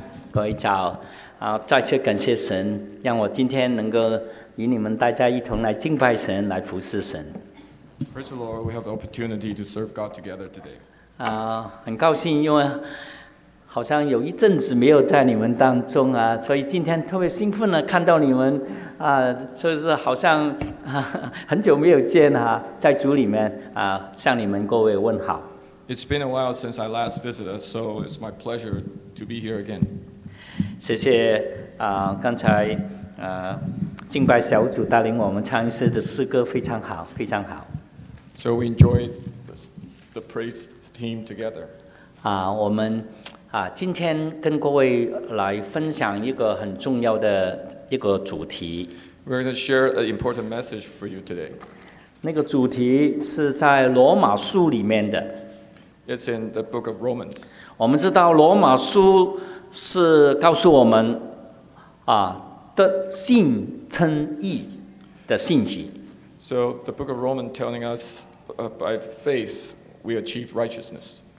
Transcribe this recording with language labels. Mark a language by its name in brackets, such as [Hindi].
[Chinese] 各位早，再次感谢神，让我今天能够与你们大家一同来敬拜神，来服侍神。 [English] Praise the Lord, we have the opportunity to serve God together today. [Chinese] 很高兴，因为好像有一阵子没有在你们当中啊，所以今天特别兴奋的看到你们啊，就是好像很久没有见啊，在主里面啊，向你们各位问好。 [English] It's been a while since I last visited us, so it's my pleasure to be here again. [Chinese] 谢谢刚才敬拜小组带领我们唱一次的诗歌，非常好，非常好。 [English] So we enjoyed the praise team together. [Chinese] 我们今天跟各位来分享一个很重要的一个主题。 [English] We're going to share an important message for you today. [Chinese] 那个主题是在罗马书里面的。 [English] It's in the book of Romans. [Chinese] 我们知道罗马书是告诉我们的信称义的信息。 [English] So the book of Romans telling us by faith we achieve righteousness.